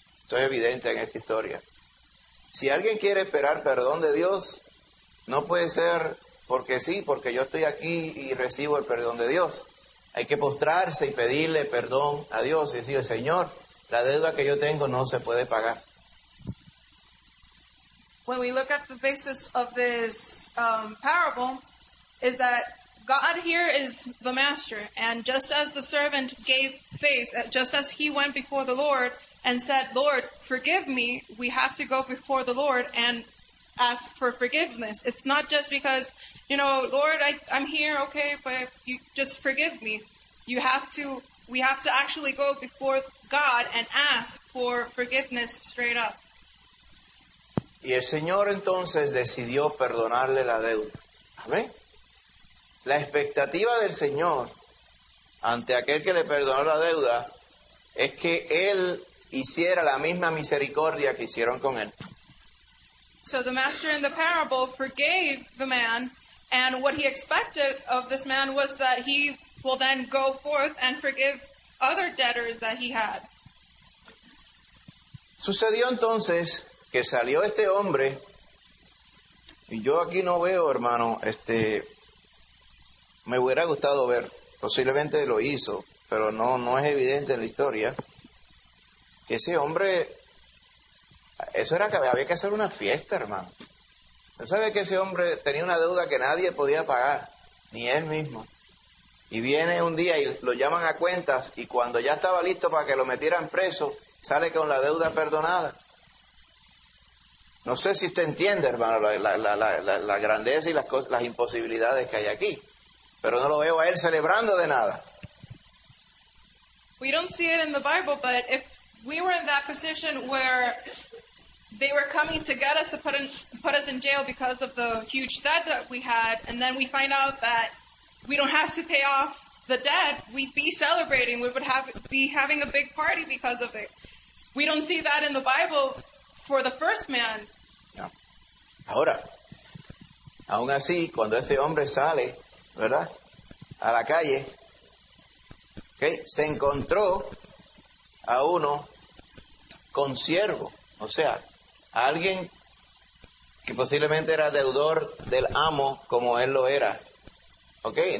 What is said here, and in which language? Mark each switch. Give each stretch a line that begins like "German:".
Spanish: Esto es evidente en esta historia. Si alguien quiere esperar perdón de Dios, no puede ser porque sí, porque yo estoy aquí y recibo el perdón de Dios. Hay que postrarse y pedirle perdón a Dios y decirle, Señor, la deuda que yo tengo no se puede pagar.
English: When we look at the basis of this parable, is that God here is the master, and just as the servant gave face, just as he went before the Lord and said, Lord, forgive me, we have to go before the Lord and ask for forgiveness. It's not just because, you know, Lord, I'm here, okay, but you just forgive me. We have to actually go before God and ask for forgiveness straight up.
Spanish: Y el Señor entonces decidió perdonarle la deuda. Amén. La expectativa del Señor ante aquel que le perdonó la deuda es que él hiciera la misma misericordia que hicieron con él.
English: So the master in the parable forgave the man, and what he expected of this man was that he will then go forth and forgive other debtors that he had.
Spanish: Sucedió entonces que salió este hombre, y yo aquí no veo, hermano, me hubiera gustado ver, posiblemente lo hizo, pero no es evidente en la historia, que ese hombre, eso era que había que hacer una fiesta, hermano. Él sabe que ese hombre tenía una deuda que nadie podía pagar, ni él mismo. Y viene un día y lo llaman a cuentas, y cuando ya estaba listo para que lo metieran preso, sale con la deuda perdonada. No sé si usted entiende, hermano, la grandeza y las imposibilidades que hay aquí. Pero no lo veo a él celebrando de nada.
English: We don't see it in the Bible, but if we were in that position where they were coming to get us to put us in jail because of the huge debt that we had, and then we find out that we don't have to pay off the debt, we'd be celebrating. We would be having a big party because of it. We don't see that in the Bible for the first man.
Spanish: No. Ahora, aún así, cuando ese hombre sale, ¿verdad?, a la calle, ¿okay?, se encontró a uno con siervo, o sea, a alguien que posiblemente era deudor del amo como él lo era. ¿Okay?